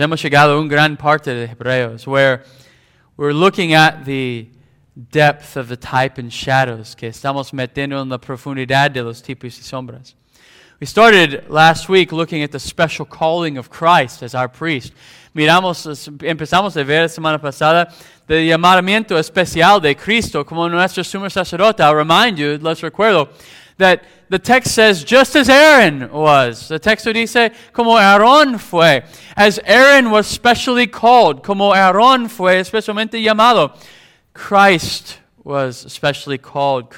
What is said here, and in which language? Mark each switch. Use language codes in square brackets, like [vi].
[es] Hemos llegado a un gran parte de Hebreos, [en] where we're looking at the depth of the type and shadows, [es] que estamos metiendo en la profundidad de los tipos y sombras. [en] We started last week looking at the special calling of Christ as our priest. [es] Empezamos a ver la semana pasada el llamamiento especial de Cristo como nuestro sumo sacerdote. [en] I'll remind you, [es] les recuerdo, [en] that the text says, just as Aaron was. [es] The texto dice, como Aaron fue. [en] As Aaron was specially called, [es] como Aaron fue especialmente llamado. [en] Christ was specially called.